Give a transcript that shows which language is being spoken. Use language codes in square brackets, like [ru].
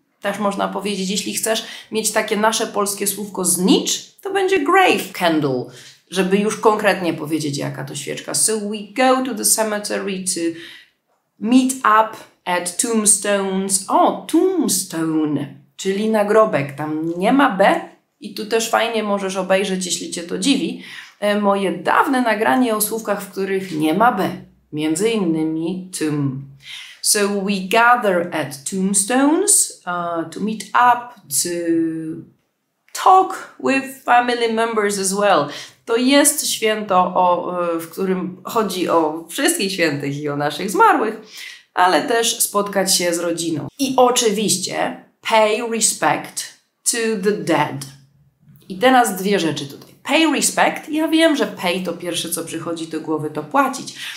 [pl] Też można powiedzieć, jeśli chcesz mieć takie nasze polskie słówko znicz, to będzie grave candle, żeby już konkretnie powiedzieć, jaka to świeczka. [en] So we go to the cemetery to meet up at tombstones. [pl] O, tombstone, czyli nagrobek. Tam nie ma B i tu też fajnie możesz obejrzeć, jeśli Cię to dziwi. Moje dawne nagranie o słówkach, w których nie ma B. Między innymi tomb. [en] So we gather at tombstones to meet up, to talk with family members as well. [pl] To jest święto, w którym chodzi o wszystkich świętych i o naszych zmarłych, ale też spotkać się z rodziną. I oczywiście [en] pay respect to the dead. [pl] I teraz dwie rzeczy tutaj. Pay respect. Ja wiem, że pay to pierwsze, co przychodzi do głowy, to płacić.